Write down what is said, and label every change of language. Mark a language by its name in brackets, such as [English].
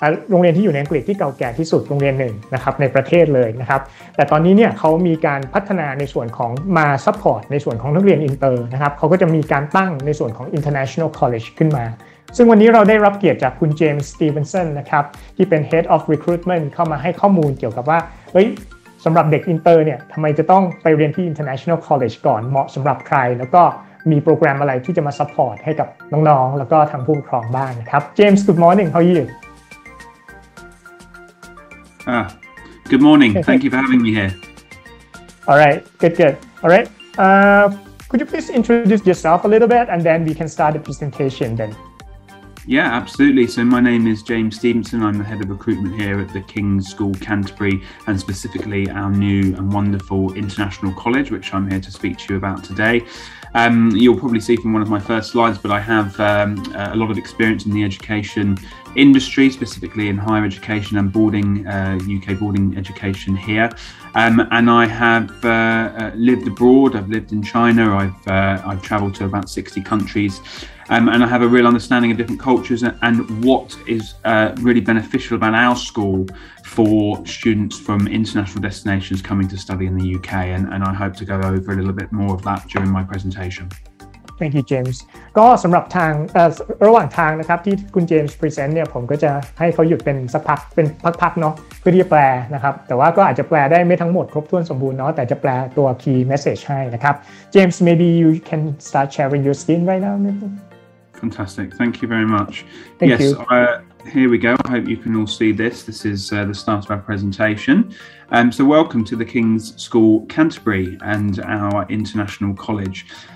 [Thai] โรงเรียนที่อยู่ในอังกฤษที่เก่าแก่ที่สุดโรงเรียนหนึ่งนะครับในประเทศเลยนะครับแต่ตอนนี้เนี่ยเขามีการพัฒนาในส่วนของมาซัพพอร์ตในส่วนของนักเรียนอินเตอร์นะครับเขาก็จะมีการตั้งในส่วนของ International College ขึ้นมาซึ่งวันนี้เราได้รับเกียรติจากคุณเจมส์สตีเวนสันนะครับที่เป็น Head of Recruitment เข้ามาให้ข้อมูลเกี่ยวกับว่าเฮ้ยสำหรับเด็กอินเตอร์เนี่ยทำไมจะต้องไปเรียนที่ International College ก่อนเหมาะสำหรับใครแล้วก็มีโปรแกรมอะไรที่จะมาซัพพอร์ตให้กับน้องๆแล้วก็ทางผู้ปกครองบ้างนะครับเจมส์ [English] Good morning how are you Good morning. Thank you for having me here. All right. Good, good. All right. Could you please introduce yourself a little bit and then we can start the presentation then? Yeah, absolutely. So my name is James Stevenson. I'm the head of recruitment here at the King's School Canterbury and specifically our new and wonderful International College, which I'm here to speak to you about today. You'll probably see from one of my first slides, but I have a lot of experience in the education industry, specifically in higher education and boarding, UK boarding education here. And I have lived abroad, I've lived in China, I've travelled to about 60 countries, and I have a real understanding of different cultures and what is really beneficial about our school for students from international destinations coming to study in the UK. And I hope to go over a little bit more of that during my presentation. Thank you, James. [Thai] ก็สำหรับทางระหว่างทางนะครับที่คุณ James present เนี่ยผมก็จะให้เขาหยุดเป็นสักพักเป็นพักๆเนาะเพื่อที่จะแปลนะครับแต่ว่าก็อาจจะแปลได้ไม่ทั้งหมดครบถ้วนสมบูรณ์เนาะแต่จะแปลตัว key message ให้นะครับ [English] James, maybe you can start sharing your screen right now. Fantastic. Thank you very much. Thank you. Yes, Here we go. I hope you can all see this. This is the start of our presentation. So welcome to the King's School Canterbury and our International College.